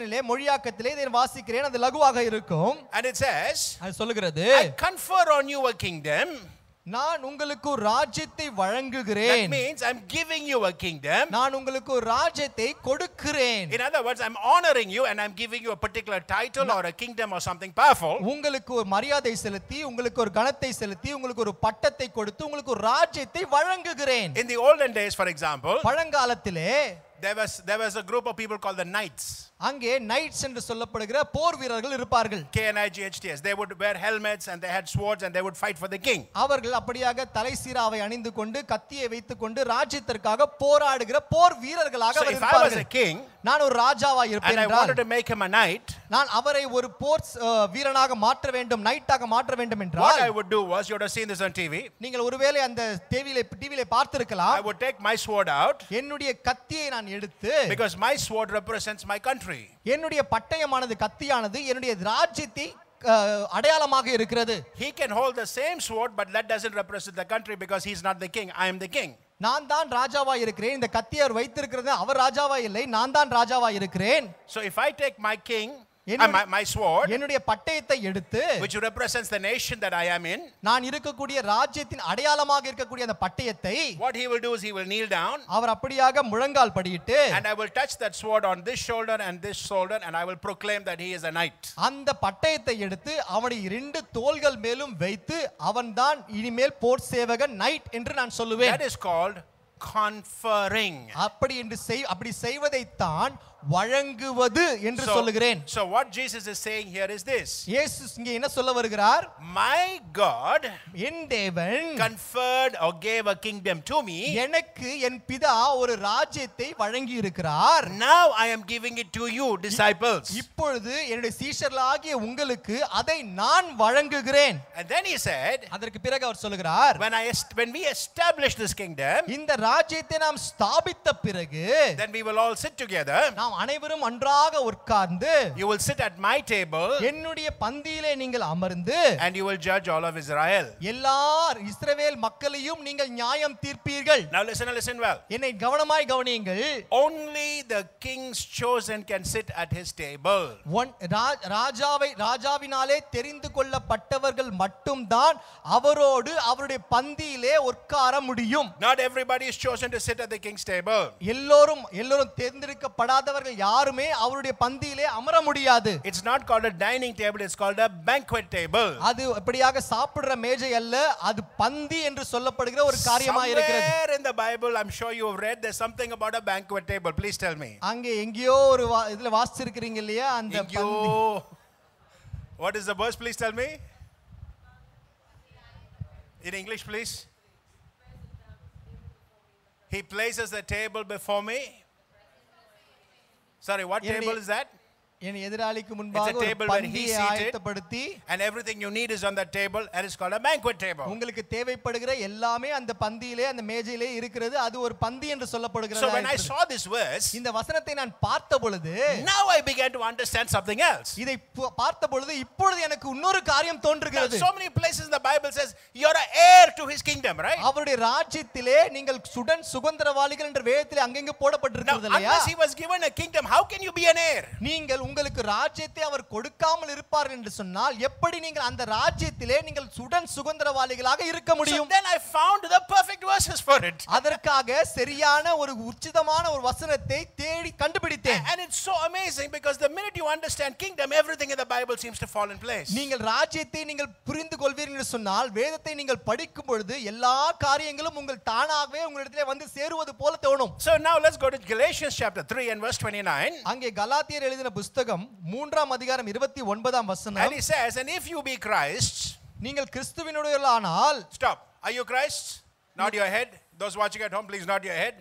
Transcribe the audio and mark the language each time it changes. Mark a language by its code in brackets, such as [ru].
[ta] மொழியாக்கத்திலே இதை வாசிக்கிறேன் அது லகுவாக இருக்கும் [en] and it says [ta] சொல்லுகிறது [en] on you a kingdom [ta] நான் உங்களுக்கு ராஜ்யத்தை வழங்குகிறேன். [en] That means I'm giving you a kingdom. [ta] நான் உங்களுக்கு ராஜ்யத்தை கொடுக்கிறேன். [en] In other words, I'm honoring you and I'm giving you a particular title or a kingdom or something powerful. [ta] உங்களுக்கு ஒரு மரியாதை செலுத்தி, உங்களுக்கு ஒரு கனத்தை செலுத்தி, உங்களுக்கு ஒரு பட்டத்தை கொடுத்து, உங்களுக்கு ஒரு ராஜ்யத்தை வழங்குகிறேன். [en] In the olden days, for example, [ta] பழங்காலத்திலே [en] there was a group of people called the knights. [ta] அங்க knights என்று சொல்லப்படுகிற போர் வீரர்கள் இருப்பார்கள். [en] KNIGHTS. They would wear helmets and they had swords and they would fight for the king. [ta] அவர்கள் அப்படியாக தலைசீராவை அணிந்து கொண்டு கத்தியை வைத்துக் கொண்டு ராஜ்யத்திற்காக போராடுகிற போர் வீரர்களாக இருப்பார்கள். [en] So if I was a king, [ta] நான் ஒரு ராஜாவாக இருப்பேன் என்றால், [en] and I wanted to make him a knight, [ta] நான் அவரை ஒரு போர் வீரனாக மாற்ற வேண்டும், நைட்டாக மாற்ற வேண்டும் என்றால், [en] what I would do was, you would have seen this on TV. [ta] நீங்கள் ஒருவேளை அந்த டிவியிலே பார்த்திருக்கலாம். [en] I would take my sword out. [ta] என்னுடைய கத்தியை நான் எடுத்து, [en] because my sword represents my country. [ta] என்னுடைய பட்டயமானது கத்தியானது என்னுடைய ராஜ்யத்தை அடையாளமாக இருக்கிறது. [en] He can hold the same sword, but that doesn't represent the country because he's not the king. I am the king. [ta] நான் தான் ராஜாவா இருக்கிறேன். இந்த கத்தி அவர் வைத்திருக்கிறது அவர் ராஜாவா இல்லை, நான் தான் ராஜாவா இருக்கிறேன். [en] So if I take my king, my sword, [ta] என்னுடைய பட்டயத்தை எடுத்து, [en] which represents the nation that I am in, [ta] நான் இருக்கக்கூடிய ராஜ்யத்தின் அடையாளமாக இருக்கக்கூடிய அந்த பட்டயத்தை, [en] what he will do is, he will kneel down, [ta] அவர் அப்படியாக முழங்கால் படியிட்டு, [en] and I will touch that sword on this shoulder and I will proclaim that he is a knight. [ta] அந்த பட்டயத்தை எடுத்து அவனை இரண்டு தோள்கள் மேலும் வைத்து அவன்தான் இனிமேல் போர் சேவகன், நைட் என்று நான் சொல்லுவேன். [en] That is called conferring. [ta] அப்படி என்று அப்படி செய்வதை தான் வழங்குவது என்று சொல்லுகிறேன். [en] So what Jesus is saying here is this. [ta] இயேசுஸ் இங்கே என்ன சொல்ல வருகிறார்? [en] My God, [ta] என் தேவன், [en] conferred or gave a kingdom to me. [ta] எனக்கு என் பிதா ஒரு ராஜ்யத்தை வழங்கி இருக்கிறார். [en] Now I am giving it to you disciples. [ta] இப்பொழுது என்னுடைய சீஷர்களாகிய உங்களுக்கு அதை நான் வழங்குகிறேன். [en] And then he said, [ta] அதற்கு பிறகு அவர் சொல்லுகிறார், [en] when we establish this kingdom, [ta] இந்த ராஜ்யத்தை நாம் ஸ்தாபித்த பிறகு, [en] then we will all sit together. [ta] நாம் அனைவரும் ஒன்றாக உட்கார்ந்து, [en] you will sit at my table, [ta] என்னுடைய பந்தியிலே நீங்கள் அமர்ந்து, [en] and you will judge all of Israel, [ta] எல்லா இஸ்ரவேல் மக்களையும் நீங்கள் நியாயம் தீர்ப்பீர்கள். [en] Now listen well, [ta] என்னை கவனமாய் கவனியுங்கள். [en] Only the king's chosen can sit at his table. [ta] ராஜாவினாலே தெரிந்து கொள்ளப்பட்டவர்கள் மட்டும்தான் அவரோடு அவருடைய பந்தியிலே உட்கார முடியும். [en] Not everybody is chosen to sit at the king's table. [ta] எல்லோரும் தேர்ந்தெடுக்க படாதவர்கள் யாருமே அவருடைய பந்தியிலே அமர முடியாது. [en] It's not called a dining table, it's called a banquet table. [ta] அது அப்படியாக சாப்பிடுற மேஜை அல்ல, அது பந்தி என்று சொல்லப்படுகிற ஒரு காரியமா இருக்கிறது. [en] Somewhere in the Bible, I'm sure you've read, there's something about a banquet table. Please tell me. [ta] அங்க எங்கயோ ஒரு இதுல வாசிச்சிருக்கீங்க இல்லையா அந்த பந்தி. [en] What is the verse, please tell me? In English, please. He places the table before me. Sorry, what table is that? [ta] என் எதிராளிக்கு முன்பாக ஒரு பந்தியை ஆயத்தப்படுத்தி, [en] and everything you need is on that table, and it's called a banquet table. [ta] உங்களுக்கு தேவைப்படுகிற எல்லாமே அந்த பந்தியிலே அந்த மேஜையிலே இருக்கிறது, அது ஒரு பந்தி என்று சொல்லப்படுகிறது. [en] So when I saw this verse, [ta] இந்த வசனத்தை நான் பார்த்த பொழுது, [en] now I began to understand something else. [ta] இதை பார்த்த பொழுது இப்பொழுது எனக்கு இன்னொரு காரியம் தோன்றுகிறது. [en] So many places in the Bible says you're an heir to his kingdom, right? [ta] அவருடைய ராஜ்யத்திலே நீங்கள் சுடன் சுகந்தரவாளிகள் என்ற வேதத்திலே அங்கங்கே போடப்பட்டிருக்கிறது இல்லையா? [en] Unless he was given a kingdom, how can you be an heir? [ta] நீங்கள் உங்களுக்கு ராஜ்யத்தை அவர் கொடுக்காமல் இருப்பார் என்று சொன்னால் எப்படி நீங்கள் அந்த ராஜ்யத்திலே நீங்கள் சுடன் சுகந்தரவாளிகளாக இருக்க முடியும்? [en] Then I found the perfect verses for it. [ta] அதற்காக சரியான ஒரு உச்சிதமான ஒரு வசனத்தை தேடி கண்டுபிடித்தேன். [en] And it's so amazing because the minute you understand kingdom, everything in the Bible seems to fall in place. [ta] நீங்கள் ராஜ்யத்தை நீங்கள் புரிந்து கொள்வீர் என்று சொன்னால் வேதத்தை நீங்கள் படிக்கும் பொழுது எல்லா காரியங்களும் உங்கள் தானாகவே உங்களிடத்திலே வந்து சேருவது போல தோணும். [en] So now let's go to Galatians chapter 3 and verse 29. [ta] அங்கே கலாத்தியர் எழுதின புத்தகம் மூன்றாம் அதிகாரம் 29 வசனம். [en] And he says, and if you be Christ, [ta] நீங்கள் கிறிஸ்துவினுடையவர்களானால், [en] stop, are you Christ? Not your head. Those watching at home, please not your head.